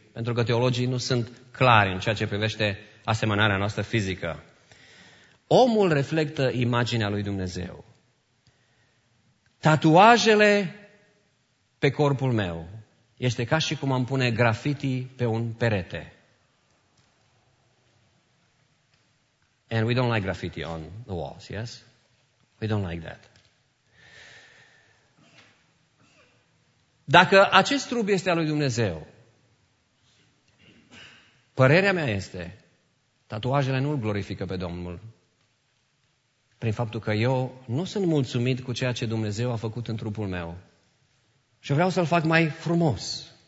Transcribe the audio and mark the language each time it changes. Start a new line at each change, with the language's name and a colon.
Romanian: Pentru că teologii nu sunt clari în ceea ce privește asemănarea noastră fizică. Omul reflectă imaginea lui Dumnezeu. Tatuajele pe corpul meu este ca și cum am pune graffiti pe un perete.
English: And we don't like graffiti on the walls, yes? We don't like that.
Romanian: Dacă acest trup este al lui Dumnezeu, părerea mea este, tatuajele nu îl glorifică pe Domnul prin faptul că eu nu sunt mulțumit cu ceea ce Dumnezeu a făcut în trupul meu și vreau să-l fac mai frumos.